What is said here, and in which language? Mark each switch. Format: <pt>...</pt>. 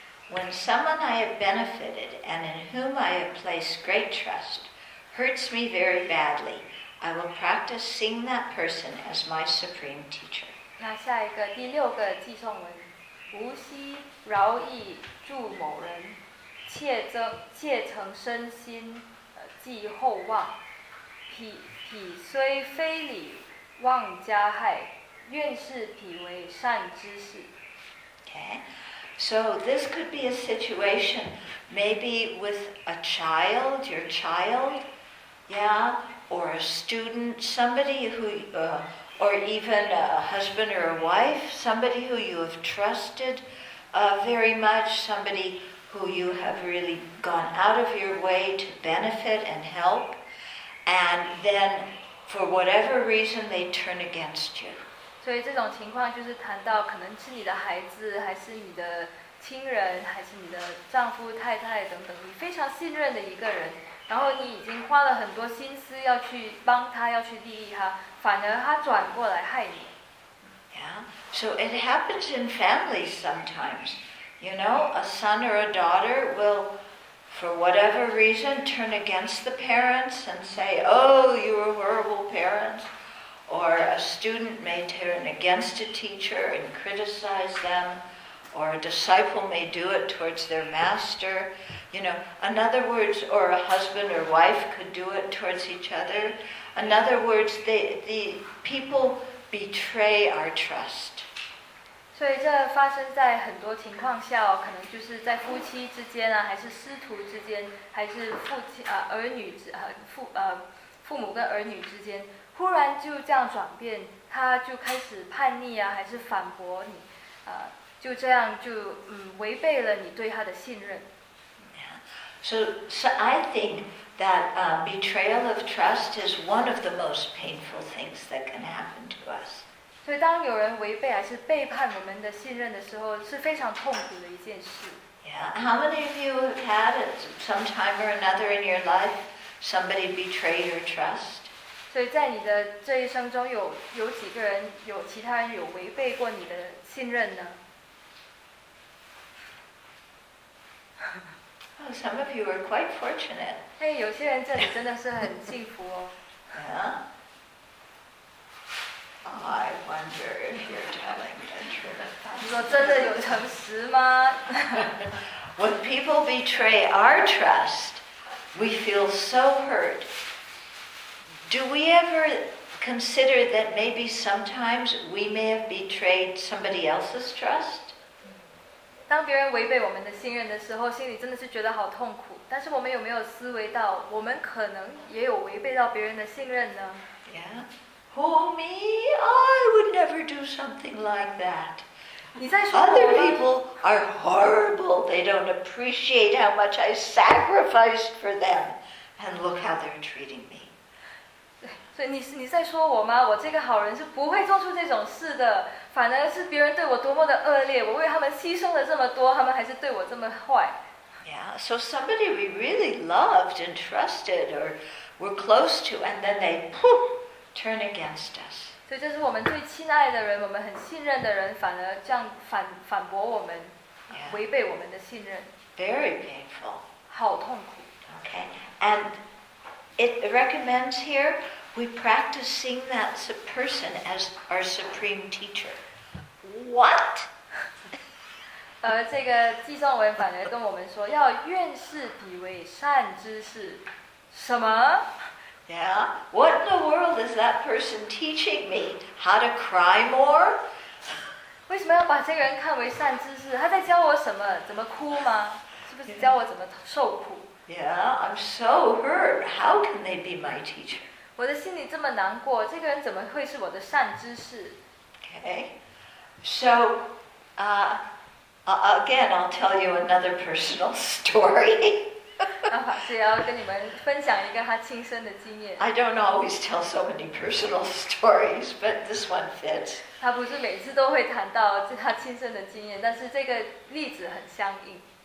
<en>When someone I have benefited and in whom I have placed great trust hurts me very badly, I will practice seeing that person as my supreme teacher.</en> <zh>那下一个第六个寄送文，无息饶益助某人，切成身心，寄厚望。彼虽非礼，妄加害，愿视彼为善知识。</zh> <en>Okay. So this could be a situation, maybe with a child, your child, yeah, or a student, somebody who, or even a husband or a wife, somebody who you have trusted very much, somebody who you have really gone out of your way to benefit and help, and then for whatever reason they turn against you.</en> <zh>所以这种情况就是谈到可能是你的孩子，还是你的亲人，还是你的丈夫、太太等等，你非常信任的一个人，然后你已经花了很多心思要去帮他，要去利益他，反而他转过来害你。</zh> <en>Yeah, so it happens in families sometimes. You know, a son or a daughter will, for whatever reason, turn against the parents and say, "Oh, you were horrible parents." Or a student may turn against a teacher and criticize them, or a disciple may do it towards their master. You know, in other words, or a husband or wife could do it towards each other. In other words, the people betray our trust.</en> <zh>所以这发生在很多情况下、哦、可能就是在夫妻之间啊，还是师徒之间，还是父亲啊、儿女之啊、父母跟儿女之间。忽然就这样转变，他就开始叛逆啊，还是反驳你，就这样就违背了你对他的信任。</zh> <en>So I think that betrayal of trust is one of the most painful things that can happen to us.</en> <zh>所以当有人违背还是背叛我们的信任的时候，是非常痛苦的一件事。</zh> <en>Yeah, how many of you have had at some time or another in your life somebody betray your trust?</en> <zh>所以在你的这一生中有几个人有其他人有违背过你的信任呢</zh> <en>Oh, some of you are quite fortunate.</en> <zh>哎，有些人这里真的是很幸福哦。</zh> <en>Yeah. I wonder if you're telling the truth.</en> <zh>你说真的有诚实吗</zh> <en>When people betray our trust, we feel so hurt. Do we ever consider that maybe sometimes we may have betrayed somebody else's trust?</en> <zh>当别人违背我们的信任的时候，心里真的是觉得好痛苦。但是我们有没有思维到，我们可能也有违背到别人的信任呢？</zh> <en>Yeah. Who, me? I would never do something like that.</en> <zh>你在说我吗？</zh> <en>Other people are horrible. They don't appreciate how much I sacrificed for them. And look how they're treating me.</en> <zh>所以你在说我吗？我这个好人是不会做出这种事的，反而是别人对我多么的恶劣，我为他们牺牲了这么多，他们还是对我这么坏。</zh> <en>Yeah, so somebody we really loved and trusted or were close to, and then they poof turn against us.</en> <zh>所以这是我们最亲爱的人，我们很信任的人，反而这样反驳我们，</zh> <en>yeah.</en> <zh>违背我们的信任。</zh> <en>Very painful.</en> <zh>好痛苦。</zh> <en>Okay, and it recommends here. We practice seeing that person as our supreme teacher. What?</en> <zh>这个寄送文反而跟我们说，要愿视彼为善知识。什么？</zh> <en>Yeah. What in the world is that person teaching me? How to cry more?</en> <zh>为什么要把这个人看为善知识？他在教我什么？怎么哭吗？是不是教我怎么受苦？</zh> <en>Yeah. I'm so hurt. How can they be my teacher?</en> <zh>我的心里这么难过，这个人怎么会是我的善知识</zh> <en>？Okay, so, again, I'll tell you another personal story.</en> <zh>所以要跟你们分享一个他亲身的经验。</zh> <en>I don't always tell so many personal stories, but this one fits.</en> <zh>他不是每次都会谈到他亲身的经验，但是这个例子很相应。</zh>